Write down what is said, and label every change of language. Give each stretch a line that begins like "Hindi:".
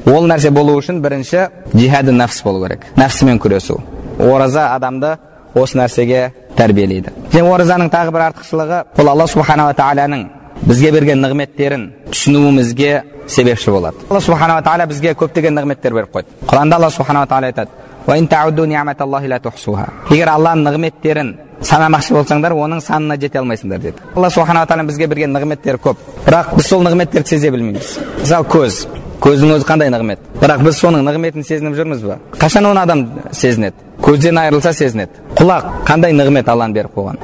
Kazakh: Ол нәрсе болу үшін бірінші джихад нәпс болу керек. Нәпсімен күресу. Ораза адамды осы нәрсеге тәрбиелейді. Және оразаның тағы бір артықшылығы, ол Алла субханалла тааланың бізге берген нығметтерін түсінуімізге себепші болады. Алла субханалла таала бізге көптеген нығметтер беріп қойды. Құранда Алла субханалла таала айтады:
Arabic: وإن تعدوا نعمة الله لا تحصوها.
Kazakh: Егер Алланың нығметтерін санамақшы болсаңдар, оның санына жете алмайсыңдар деді. Алла субхана ва тааланың бізге берген нығметтері көп, бірақ біз сол нығметтерді сезе білмейміз. Мысалы, көз. Көздің өзі қандай нығмет? Бірақ біз соның нығметін сезініп жүрміз бе? Қашан оны адам сезінеді? Көзден айырылса сезінеді. Құлақ қандай нығмет Алланың беріп қойған?